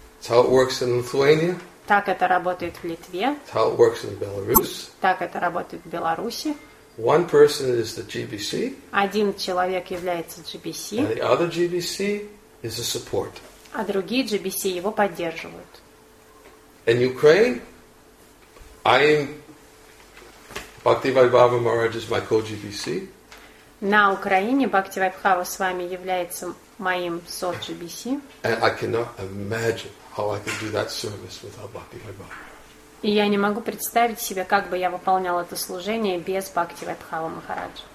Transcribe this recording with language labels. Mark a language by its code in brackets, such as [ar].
[en] It's how it works in Lithuania. [ru] Так это работает в Литве. [en] It's how it works in Belarus. [ru] Так это работает в Беларуси. [en] One person is the GBC. [ru] Один человек является GBC. [en] And the other GBC is a support. [ru] А другие GBC его поддерживают. [en] In Ukraine, I'm Bhakti Vaibhava Maharaj is my co-GBC. [ru] На Украине Бхакти Вайбхава с вами является моим со-GBC. [en] And I cannot imagine how I could do that service without Bhakti Vaibhava. [ru] И я не могу представить себе, как бы я выполнял это служение без Бхакти Вайбхава Махараджа.